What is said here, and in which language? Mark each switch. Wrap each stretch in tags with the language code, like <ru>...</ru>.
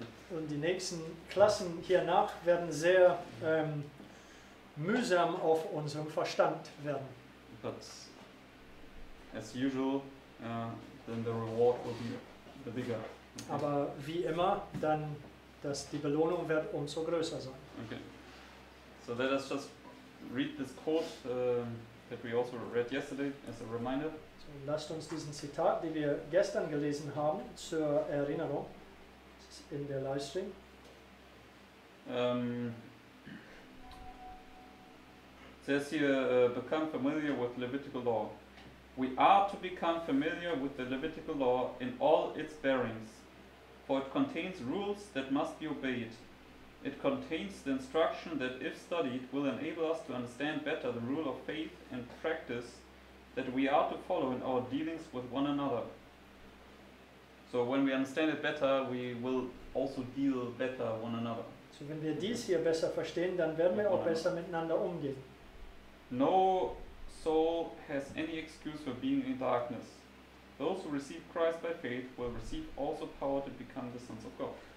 <de>Und die nächsten Klassen hiernach werden sehr mühsam auf unserem Verstand werden.</de> <en>But as usual, then the reward will be the bigger. Okay.</en> <de>Aber wie immer, dann dass die Belohnung wird umso größer sein.</de> <en>Okay. So let us just read this quote that we also read yesterday as a reminder.</en> <de>So lasst uns diesen Zitat, den wir gestern gelesen haben, zur Erinnerung. Das ist in der Livestream.</de> <en>Says here, become familiar with Levitical law. We are to become familiar with the Levitical law in all its bearings, for it contains rules that must be obeyed. It contains the instruction that, if studied, will enable us to understand better the rule of faith and practice that we are to follow in our dealings with one another. So when we understand it better, we will also deal better one another.</en> <de>So wenn wir dies hier besser verstehen, dann werden wir auch besser miteinander umgehen.</de> <en>No soul has any excuse for being in darkness. Those who receive Christ by faith will receive also power to become the sons of God.</en>